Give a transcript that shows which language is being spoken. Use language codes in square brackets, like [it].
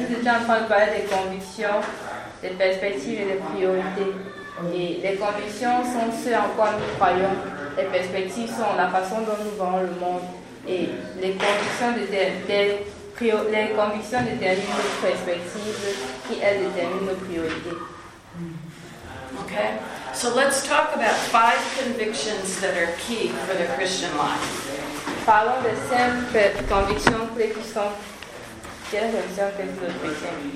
[fr] Nous étions en train de parler des convictions, des perspectives et des priorités. Et les convictions sont ce en quoi nous croyons. Les perspectives sont la façon dont nous voyons le monde. Et les convictions déterminent nos perspectives qui, elles, déterminent nos priorités. [en] Ok, so let's talk about five convictions that are key for the Christian life. [fr] Parlons des cinq convictions clés qui sont les convictions clés pour le chrétien.